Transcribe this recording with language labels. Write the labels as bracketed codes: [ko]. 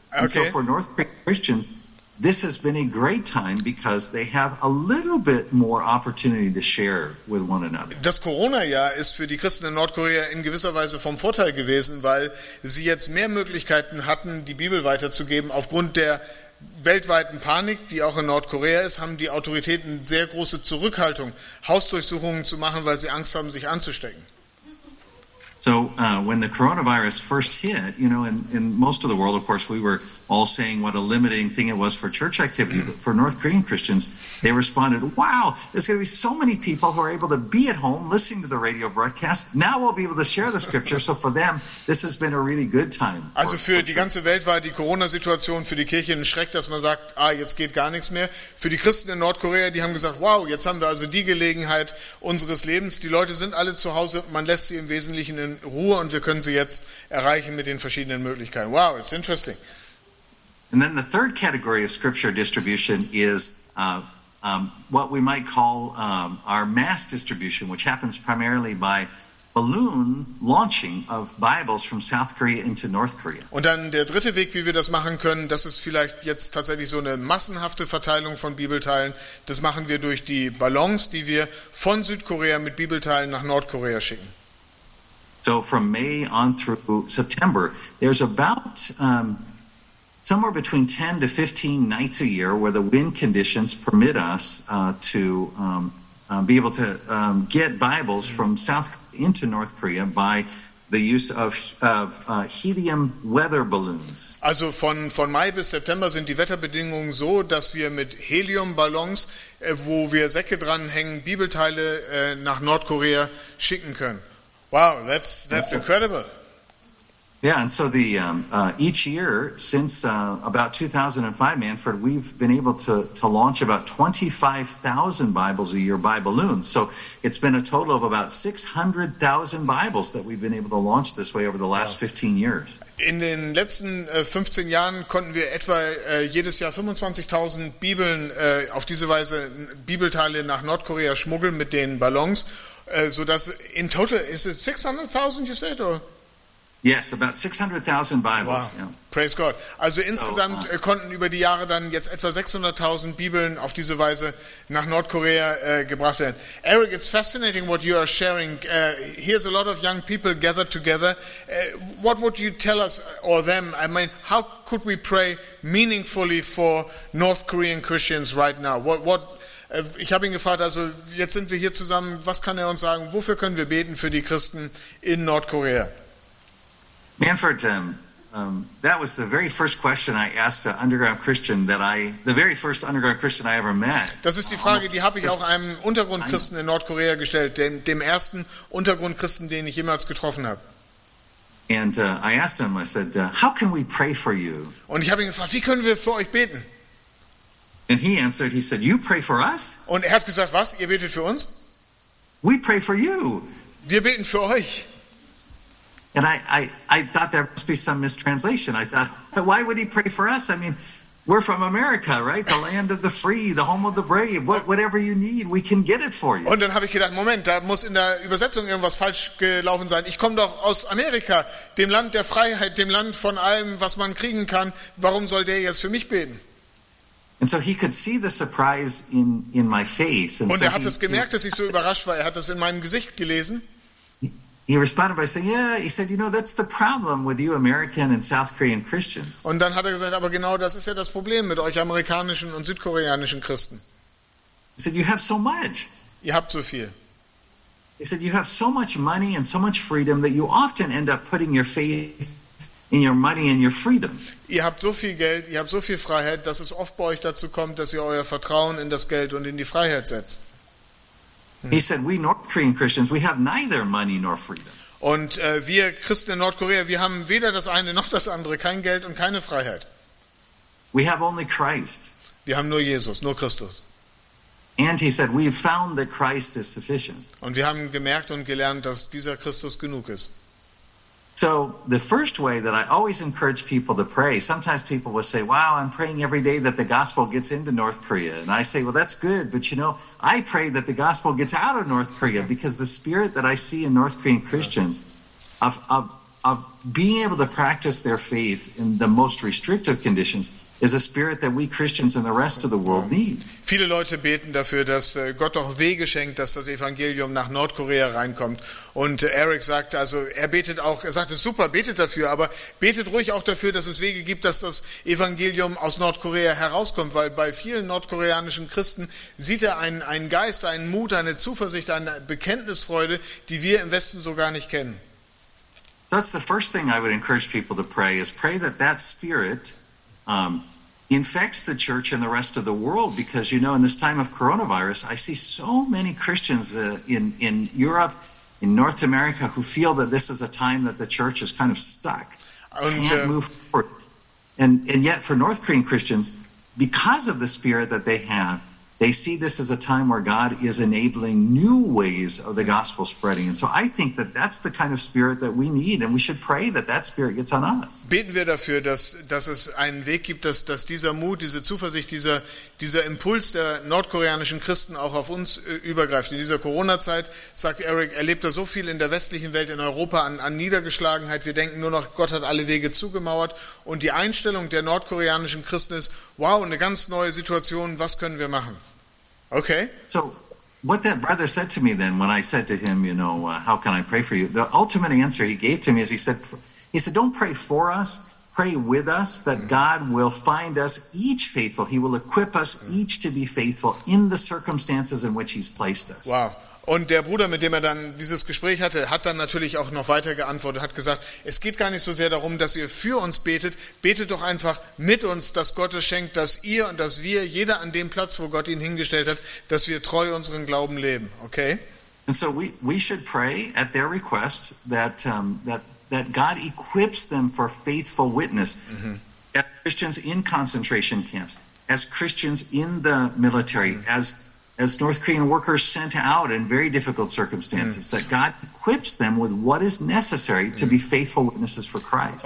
[en] And so for North Korean Christians, this has been a great time because they have a little bit more opportunity to share with one another. [de] Das Corona-Jahr ist für die Christen in Nordkorea in gewisser Weise vom Vorteil gewesen, weil sie jetzt mehr Möglichkeiten hatten, die Bibel weiterzugeben. Aufgrund der weltweiten Panik, die auch in Nordkorea ist, haben die Autoritäten sehr große Zurückhaltung, Hausdurchsuchungen zu machen, weil sie Angst haben, sich anzustecken. [en] So when the coronavirus first hit, you know, in most of the world, of course, we were all saying what a limiting thing it was for church activity. But for North Korean Christians, they responded, wow, there's going to be so many people who are able to be at home listening to the radio broadcast. Now we'll be able to share the scripture. So for them, this has been a really good time. [de] Also für die ganze Welt war die Corona-Situation für die Kirche ein Schreck, dass man sagt, ah, jetzt geht gar nichts mehr. Für die Christen in Nordkorea, die haben gesagt, wow, jetzt haben wir also die Gelegenheit unseres Lebens. Die Leute sind alle zu Hause, man lässt sie im Wesentlichen in Ruhe und wir können sie jetzt erreichen mit den verschiedenen Möglichkeiten. [en] Wow, it's interesting. And then the third category of scripture distribution is what we might call our mass distribution, which happens primarily by balloon launching of Bibles from South Korea into North Korea. [de] Und dann der dritte Weg, wie wir das machen können, das ist vielleicht jetzt tatsächlich so eine massenhafte Verteilung von Bibelteilen. Das machen wir durch die Ballons, die wir von Südkorea mit Bibelteilen nach Nordkorea schicken. [en] So from May on through September, there's about somewhere between 10 to 15 nights a year where the wind conditions permit us to be able to get Bibles from South Korea into North Korea by the use of helium weather balloons. [de] Also von Mai bis September sind die Wetterbedingungen so, dass wir mit Heliumballons, wo wir Säcke dranhängen, Bibelteile nach Nordkorea schicken können. [en] Wow, that's incredible. Yeah, and so the each year since about 2005, Manfred, we've been able to launch about 25,000 Bibles a year by balloon. So it's been a total of about 600,000 Bibles that we've been able to launch this way over the last 15 years. [de] In den letzten 15 Jahren konnten wir etwa jedes Jahr 25,000 Bibeln auf diese Weise Bibelteile nach Nordkorea schmuggeln mit den Ballons, so dass in total [en] is it 600,000 you said or? Yes, about 600,000 Bibles. Wow. Yeah. Praise God. [de] Also insgesamt konnten über die Jahre dann jetzt etwa 600,000 Bibeln auf diese Weise nach Nordkorea gebracht werden. [en] Eric, it's fascinating what you are sharing. Here's a lot of young people gathered together. What would you tell us or them? I mean, how could we pray meaningfully for North Korean Christians right now? [de] Ich habe ihn gefragt, also jetzt sind wir hier zusammen. Was kann er uns sagen? Wofür können wir beten für die Christen in Nordkorea? [en] Manfred, that was the very first question I asked an underground Christian the very first underground Christian I ever met. [de] Das ist die Frage, die habe ich auch einem Untergrundchristen in Nordkorea gestellt, dem ersten Untergrundchristen, den ich jemals getroffen habe. [en] And I asked him, I said, how can we pray for you? [de] Und ich habe ihn gefragt, wie können wir für euch beten? [en] And he answered, he said, you pray for us? [de] Und er hat gesagt, was, ihr betet für uns? [en] We pray for you. [de] Wir beten für euch. [en] And I thought there must be some mistranslation. I thought, why would he pray for us? I mean, we're from America, right? The land of the free, the home of the brave. Whatever you need, we can get it for you. [de] Und dann habe ich gedacht, Moment, da muss in der Übersetzung irgendwas falsch gelaufen sein. Ich komme doch aus Amerika, dem Land der Freiheit, dem Land von allem, was man kriegen kann. Warum soll der jetzt für mich beten? [en] And so he could see the surprise in my face. [de] Und er hat es gemerkt, dass ich so überrascht war. Er hat das in meinem Gesicht gelesen. [en] He responded by saying, "Yeah." He said, "You know, that's the problem with you, American and South Korean Christians." [de] Und dann hat er gesagt, aber genau das ist ja das Problem mit euch amerikanischen und südkoreanischen Christen. [en] He said, "You have so much." [de] Ihr habt so viel. [en] He said, "You have so much money and so much freedom that you often end up putting your faith in your money and your freedom." [de] Ihr habt so viel Geld, ihr habt so viel Freiheit, dass es oft bei euch dazu kommt, dass ihr euer Vertrauen in das Geld und in die Freiheit setzt. [en] He said, "We North Korean Christians, we have neither money nor freedom." [de] Und wir Christen in Nordkorea, wir haben weder das eine noch das andere, kein Geld und keine Freiheit. [en] We have only Christ. [de] Wir haben nur Jesus, nur Christus. [en] And he said, "We've found that Christ is sufficient." [de] Und wir haben gemerkt und gelernt, dass dieser Christus genug ist. [en] So the first way that I always encourage people to pray, sometimes people will say, wow, I'm praying every day that the gospel gets into North Korea. And I say, well, that's good. But you know, I pray that the gospel gets out of North Korea because the spirit that I see in North Korean Christians of being able to practice their faith in the most restrictive conditions is a spirit that we Christians and the rest of the world need. [de] Viele Leute beten dafür, dass Gott doch Wege schenkt, dass das Evangelium nach Nordkorea reinkommt. Und Eric sagt, also er betet auch, er sagt, es super, betet dafür, aber betet ruhig auch dafür, dass es Wege gibt, dass das Evangelium aus Nordkorea herauskommt, weil bei vielen nordkoreanischen Christen sieht er einen Geist, einen Mut, eine Zuversicht, eine Bekenntnisfreude, die wir im Westen so gar nicht kennen. [en] That's the first thing I would encourage people to pray is pray that spirit infects the church and the rest of the world, because, you know, in this time of coronavirus, I see so many Christians in Europe, in North America, who feel that this is a time that the church is kind of stuck, can't move forward. And yet for North Korean Christians, because of the spirit that they have, they see this as a time where God is enabling new ways of the gospel spreading. And so I think that that's the kind of spirit that we need, and we should pray that that spirit gets on us. [de] Beten wir dafür, dass es einen Weg gibt, dass dieser Mut, diese Zuversicht, dieser Impuls der nordkoreanischen Christen auch auf uns übergreift. In dieser Corona-Zeit, sagt Eric, erlebt er so viel in der westlichen Welt, in Europa, an Niedergeschlagenheit. Wir denken nur noch, Gott hat alle Wege zugemauert. Und die Einstellung der nordkoreanischen Christen ist, wow, eine ganz neue Situation, was können wir machen? [en] Okay. So, what that brother said to me then, when I said to him, you know, how can I pray for you? The ultimate answer he gave to me is he said, don't pray for us, pray with us, that God will find us each faithful. He will equip us each to be faithful in the circumstances in which he's placed us. Wow. [de] Und der Bruder, mit dem er dann dieses Gespräch hatte, hat dann natürlich auch noch weiter geantwortet, hat gesagt, es geht gar nicht so sehr darum, dass ihr für uns betet, betet doch einfach mit uns, dass Gott es schenkt, dass ihr und dass wir, jeder an dem Platz, wo Gott ihn hingestellt hat, dass wir treu unseren Glauben leben, okay? [en] And so we should pray at their request that that God equips them for faithful witness. Mm-hmm. As Christians in concentration camps, as Christians in the military, as North Korean workers sent out in very difficult circumstances, that God equips them with what is necessary to be faithful witnesses for Christ.